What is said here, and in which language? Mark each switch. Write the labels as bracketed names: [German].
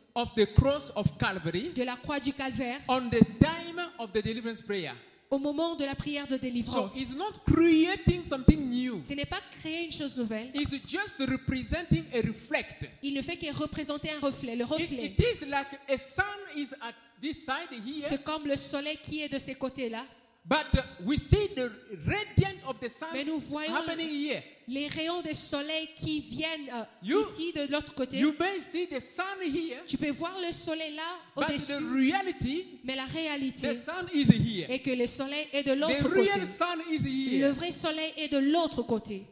[English] of the cross of Calvary, [French] de la croix du calvaire, [English] on the time of the deliverance prayer. [French] Au moment de la prière de délivrance. [English] So it's not creating something new. [French] Ce n'est pas créer une chose nouvelle. [English] It's just representing a reflect. [French] Il ne fait que représenter un reflet, le reflet. [English] It is like a sun is at this side here. [French] C'est comme le soleil qui est de ce côté-là. [English] But we see the radiance of the sun. [French] Mais nous voyons [English] happening here. [French] Les rayons de soleil qui viennent ici de l'autre côté. [English] You may see the sun here. [French] Tu peux voir le soleil là [English] but [French] au-dessus. [English] The reality, [French] mais la réalité. [English] The sun is here. [French] Et que le soleil est de l'autre côté. [English] Real sun is here. [French] Le vrai soleil est de l'autre côté.